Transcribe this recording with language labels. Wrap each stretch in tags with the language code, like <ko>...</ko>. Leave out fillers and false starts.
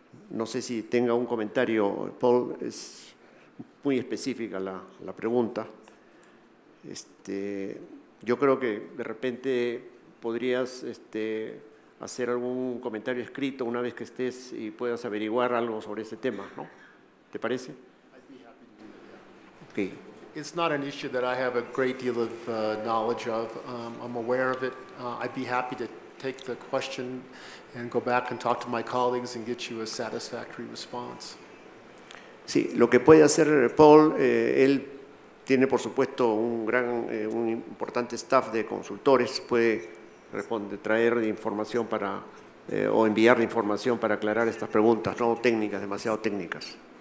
<es>No sé si tenga un comentario, Paul, es muy específica la, la pregunta. Yo creo que de repente podrías hacer algún comentario escrito una vez que estés y puedas averiguar algo sobre ese tema, ¿no? ¿Te parece?</es> <en>Okay. It's not an issue that I have a great deal of knowledge of. I'm aware of it. I'd be happy to take the question and go back and talk to my colleagues and get you a satisfactory response.</en> <es>Sí, lo que puede hacer Paul, él tiene por supuesto un gran, un importante staff de consultores, puede responder, traer información para, o enviar información para aclarar estas preguntas, no técnicas, demasiado técnicas.</es>